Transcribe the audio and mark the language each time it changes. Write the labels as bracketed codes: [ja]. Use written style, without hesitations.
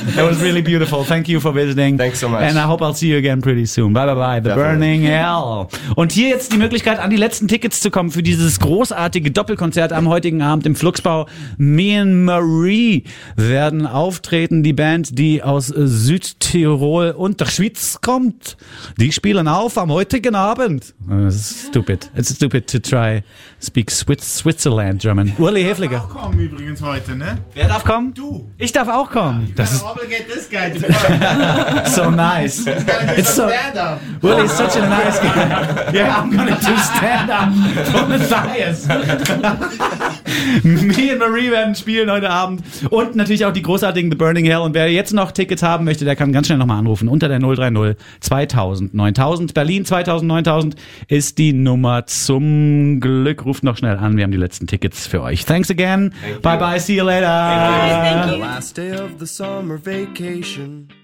[en] That was really beautiful. Thank you for visiting. Thanks so much. And I hope I'll see you again pretty soon. Bye-bye. The Burning Hell. [de] Und hier jetzt die Möglichkeit, an die letzten Tickets zu kommen für dieses großartige Doppelkonzert am heutigen Abend im Fluxbau. Me and Marie werden auftreten. Die Band, die aus Südtirol und der Schweiz kommt, die spielen auf am heutigen Abend. [en] It's stupid to try. Speak Switzerland German. Uli Hefliger. [de] Ich darf auch kommen übrigens heute, ne? Wer darf kommen? Du. Ich darf auch kommen. Ja, das ist [en] this guy. So nice. It's so. Uli is such a nice guy. Yeah, I'm gonna do stand up for Matthias. [de] Me and Marie werden spielen heute Abend. Und natürlich auch die großartigen The Burning Hell. Und wer jetzt noch Tickets haben möchte, der kann ganz schnell nochmal anrufen. Unter der 030 2000 9000. Berlin 2000 9000 ist die Nummer zum Glück. Ruft noch schnell an. Wir haben die letzten Tickets für euch. [en] Thanks again. Thank you. Bye bye. See you later. Bye. Thank you. The last day of the summer vacation.